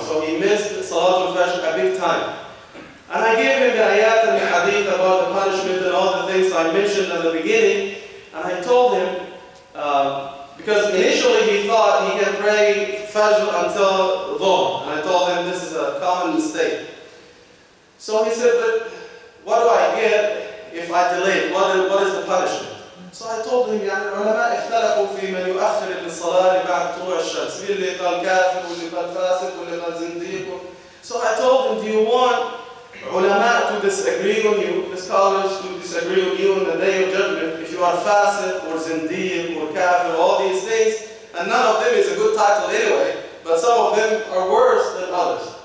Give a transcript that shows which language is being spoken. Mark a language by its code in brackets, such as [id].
[en] So he missed Salah al-Fajr a big time. And I gave him the ayat and the hadith about the punishment and all the things I mentioned at the beginning. And I told him, because initially he thought he can pray Fajr until Dhuhr. And I told him this is a common mistake. So he said, but what do I get if I delay it? What is the punishment? So I told him, [ar] يعني العلماء اختلفوا في من يؤخر للصلاة بعد طلوع الشمس. مين اللي قال كافر واللي قال فاسق واللي قال زنديق. [en] So I told him, do you want علماء to disagree on you, the scholars to disagree on you on the day of judgment, if you are fasid or zindiq or kafir, all these things, and none of them is a good title anyway, but some of them are worse than others.